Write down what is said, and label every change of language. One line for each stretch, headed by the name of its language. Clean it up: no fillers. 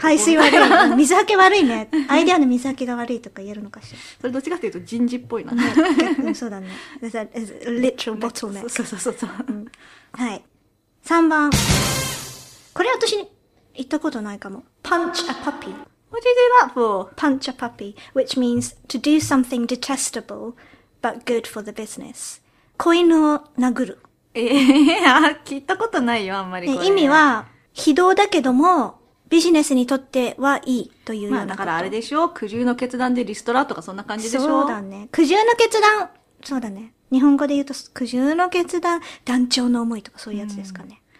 Japanese: 排水悪い。水はけ悪いね。アイデアの水はけが悪いとか言えるのかしら。それどっちかっていうと人事っぽいな。ね、そうだね。
English: That is literal bottleneck。
Japanese: そうそうそうそう。うん、はい。3番。これ私に、言ったことないかも。
English: Punch a puppy. What do you do that for? Punch a puppy, which means to do something detestable but good for the business.
Japanese: 子犬を殴る。聞いたことないよ、あんまりこれ。意味は非道だけどもビジネスにとってはいいというようなこと。まあだからあれでしょ、苦渋の決断でリストラとかそんな感じでしょ。そうだね。苦渋の決断。そうだね。日本語で言うと苦渋の決断、断腸の思いとかそういうやつですかね。